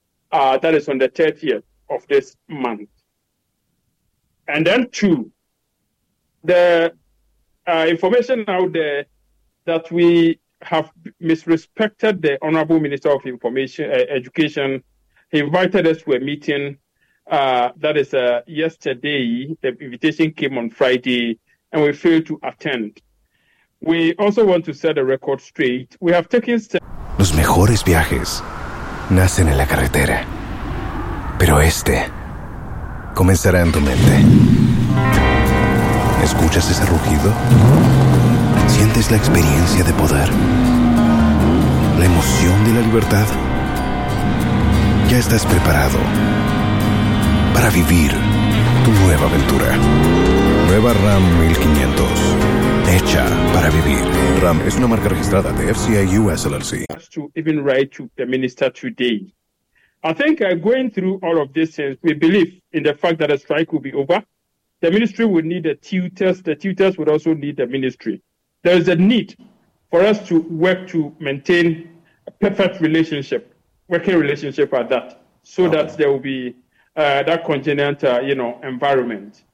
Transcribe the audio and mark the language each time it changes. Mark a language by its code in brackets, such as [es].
[en] That is on the 30th of this month. And then two, the information out there that we have misrespected the Honorable Minister of Information Education. He invited us to a meeting yesterday. The invitation came on Friday, and we failed to attend. We also want to set the record straight. We have taken steps. [es] Los mejores viajes nacen en la carretera, pero este comenzará en tu mente. ¿Escuchas ese rugido? ¿Sientes la experiencia de poder? ¿La emoción de la libertad? Ya estás preparado para vivir tu nueva aventura. Nueva Ram 1500. Hecha para vivir. Ram es una marca registrada de FCA US LLC. [en] To even write to the minister today. I think going through all of this, we believe in the fact that a strike will be over. The ministry will need the tutors. The tutors would also need the ministry. There is a need for us to work to maintain a perfect relationship, working relationship at that, so that there will be that congenial environment.